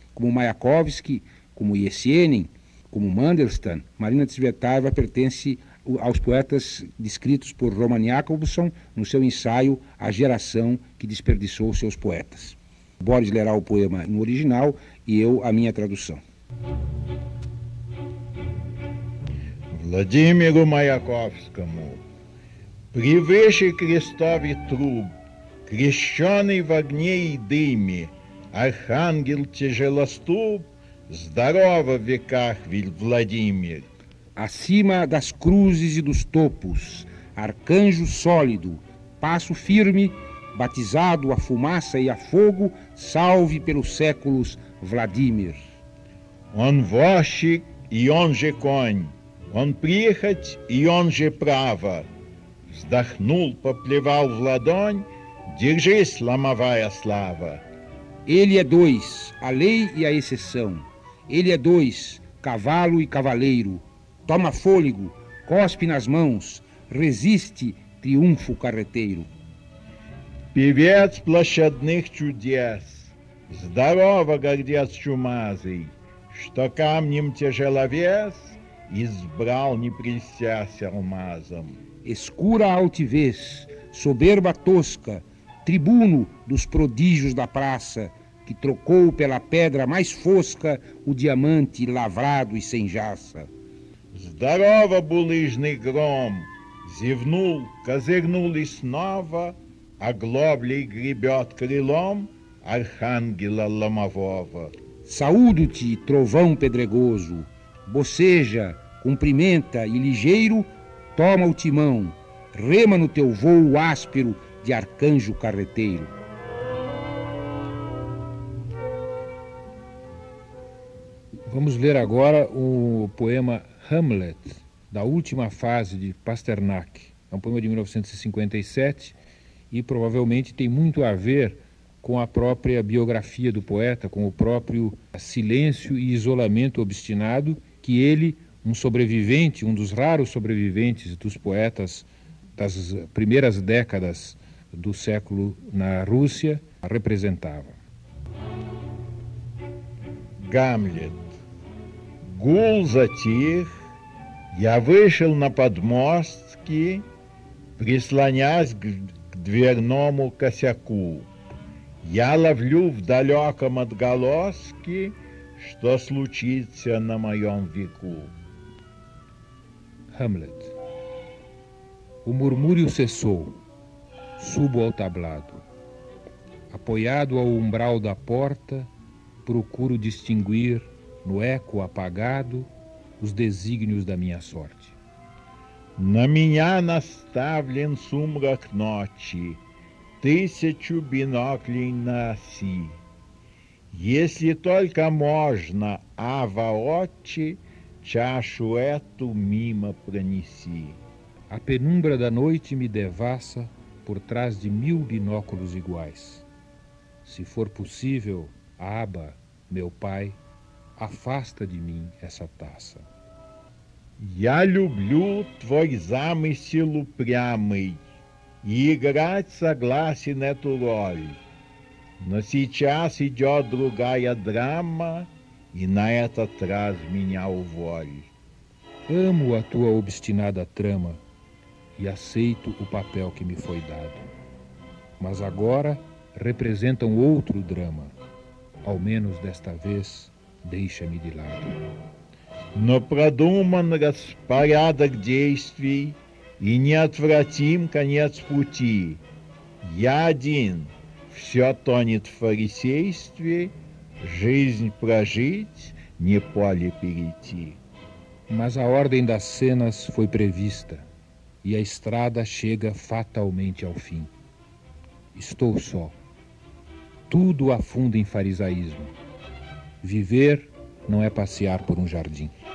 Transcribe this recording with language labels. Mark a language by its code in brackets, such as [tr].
[pt] Como Mayakovsky, como Yesenin, como Mandelstam, Marina Tsvetaeva pertence aos poetas descritos por Roman Jakobson no seu ensaio A Geração que Desperdiçou Seus Poetas. Boris lerá o poema no original e eu a minha tradução. [ru] Vladimir Mayakovsky, Привыше крестов и труб, крещеный в огне и дыме, Архангел тяжелоступ, здорово в веках, ведь Владимир. [pt] Acima das cruzes e dos topos, arcanjo sólido, passo firme, batizado a fumaça e a fogo, salve pelos séculos, Владимир. [ru] Он вошь и он же конь, он прихоть и он же право. Вздохнул, поплевал в ладонь, держись, ломовая слава. [pt] Ele é dois, a lei e a exceção. Ele é dois, cavalo e cavaleiro. Toma fôlego, cospe nas mãos, resiste, triunfo carreteiro. [ru] Певец площадных чудес, здорово, гордец чумазый, что камнем тяжеловес, избрал не присясь алмазом. [pt] Escura altivez, soberba tosca, tribuno dos prodígios da praça, que trocou pela pedra mais fosca o diamante lavrado e sem jaça. [ru] Здорово, булыжный гром, зевнул, козырнул и снова, а глоблей гребет крылом архангела ломового. [pt] Saúdo-te, trovão pedregoso, boceja, cumprimenta e ligeiro, toma o timão, rema no teu voo áspero de arcanjo carreteiro. Vamos ler agora o poema Hamlet, da última fase de Pasternak. É um poema de 1957 e provavelmente tem muito a ver com a própria biografia do poeta, com o próprio silêncio e isolamento obstinado que ele, um sobrevivente, um dos raros sobreviventes dos poetas das primeiras décadas do século na Rússia, representava. [ru] Гамлет. Гул затих, я вышел на подмостки, прислонясь к дверному косяку. Я ловлю в далеком отголоски, что случится на моем веку. [pt] Hamlet. O murmúrio cessou. Subo ao tablado. Apoiado ao umbral da porta, procuro distinguir, no eco apagado, os desígnios da minha sorte. [ru] На меня наставлен сумрак ночи, тысячу биноклей на оси. Если только можно, ава отче, чашу эту мимо пронеси. [pt] A penumbra da noite me devassa por trás de mil binóculos iguais. Se for possível, Abba, meu pai, afasta de mim essa taça. [ru] Я люблю твой замысел упрямый и играть согласен эту роль. Но сейчас идет другая драма и на этот раз меня уволь. [pt] Amo a tua obstinada trama e aceito o papel que me foi dado. Mas agora representam outro drama. Ao menos desta vez, deixa-me de lado. [ru] Но продуман распорядок действий и неотвратим конец пути. Я один, все тонет в фарисействе, жизнь прожить, не поле перейти. [pt] Mas a ordem das cenas foi prevista e a estrada chega fatalmente ao fim. Estou só. Tudo afunda em farisaísmo. Viver não é passear por um jardim.